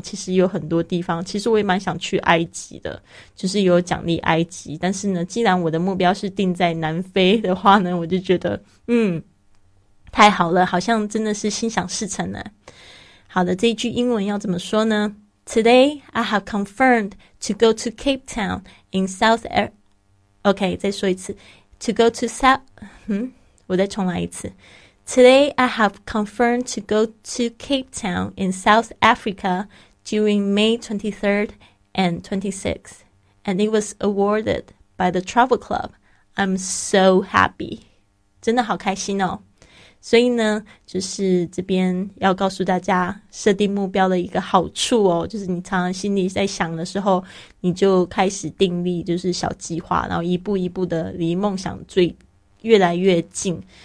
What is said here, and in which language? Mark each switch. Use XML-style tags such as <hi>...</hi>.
<zh>其实有很多地方，其实我也蛮想去埃及的，就是有奖励埃及，但是呢既然我的目标是定在南非的话呢，我就觉得太好了，好像真的是心想事成呢。好的，这一句英文要怎么说呢？</zh> <en>Today I have confirmed to go to Cape Town in South Africa. OK,</en> <zh>再说一次</zh> <en>To go to South</en> <zh>我再重来一次</zh> <en>Today I have confirmed to go to Cape Town in South Africa during May 23rd and 26th and it was awarded by the Travel Club. I'm so happy.</en> <zh>真的好开心哦。所以呢就是这边要告诉大家设定目标的一个好处哦，就是你常常心里在想的时候，你就开始定立就是小计划，然后一步一步的离梦想最越来越近。</zh>